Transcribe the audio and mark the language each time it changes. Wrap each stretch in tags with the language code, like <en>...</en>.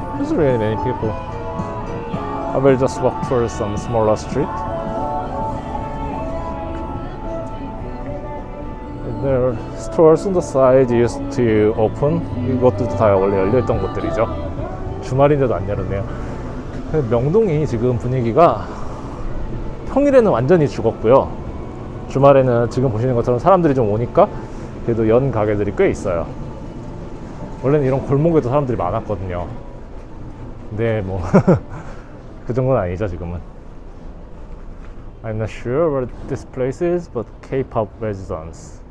<en>Really many people. I will just walk through some smaller street. There are stores on the side used to open.</en> <ko>이것도 다 원래 열려있던 곳들이죠. 주말인데도 안 열었네요. 명동이 지금 분위기가 평일에는 완전히 죽었고요. 주말에는 지금 보시는 것처럼 사람들이 좀 오니까 그래도 연 가게들이 꽤 있어요. 원래는 이런 골목에도 사람들이 많았거든요. 네, 뭐 그 정도는 아니죠, 지금은.</ko> <en>I'm not sure where this place is, but K-pop residence.</en>